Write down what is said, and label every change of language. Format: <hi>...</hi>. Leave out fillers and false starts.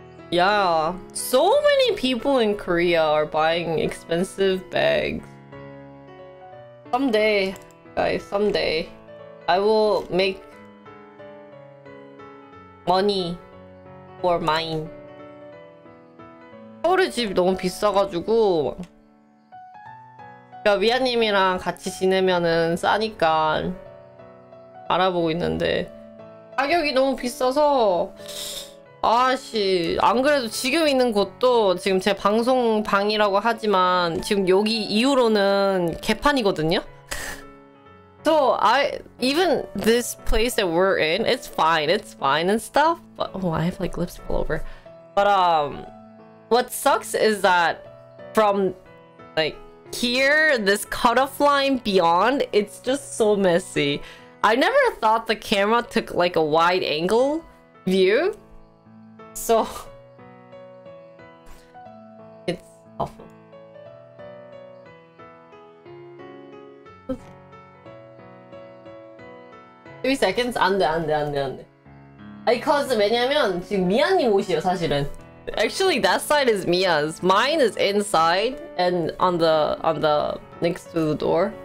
<en>Yeah. So many people in Korea are buying expensive bags. Someday, guys, someday, I will make money for mine.</en> <ko>서울의 집 너무 비싸가지고. 그러니까 위아님이랑 같이 지내면은 싸니까 알아보고 있는데 가격이 너무 비싸서 아씨 안 그래도 지금 있는 곳도 지금 제 방송 방이라고 하지만 지금 여기 이후로는 개판이거든요?</ko> <en>So I even this place that we're in it's fine and stuff but oh I have like lips all over but what sucks is that from like here, this cutoff line beyond, it's just so messy. I never thought the camera took like a wide angle view. So, it's awful. Three seconds?</en> <ko>안 돼, 안 돼, 안 돼, 안 돼. 아니, 'cause 왜냐면 지금 미안님 옷이에요, 사실은.</ko> <en>Actually, that side is Mia's. Mine is inside and on the next to the door.</en>